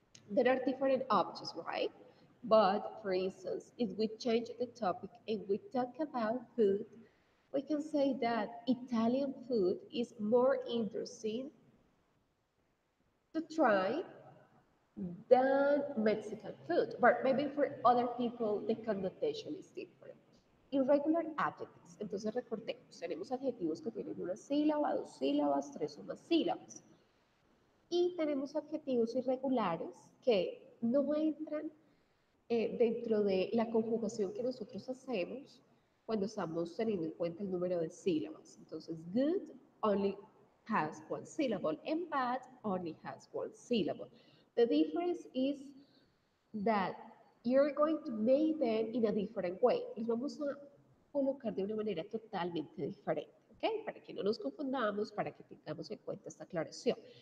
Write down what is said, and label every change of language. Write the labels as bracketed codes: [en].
[en] There are different options, right? But for instance, if we change the topic and we talk about food, we can say that Italian food is more interesting to try than Mexican food. But maybe for other people, the connotation is different. Irregular adjectives. [es] Entonces recordemos, tenemos adjetivos que tienen una sílaba, dos sílabas, tres o más sílabas. Y tenemos adjetivos irregulares que no entran dentro de la conjugación que nosotros hacemos cuando estamos teniendo en cuenta el número de sílabas. Entonces, [en] good only has one syllable and bad only has one syllable. The difference is that you're going to make them in a different way. [es] Los vamos a colocar de una manera totalmente diferente, ¿ok? Para que no nos confundamos, para que tengamos en cuenta esta aclaración.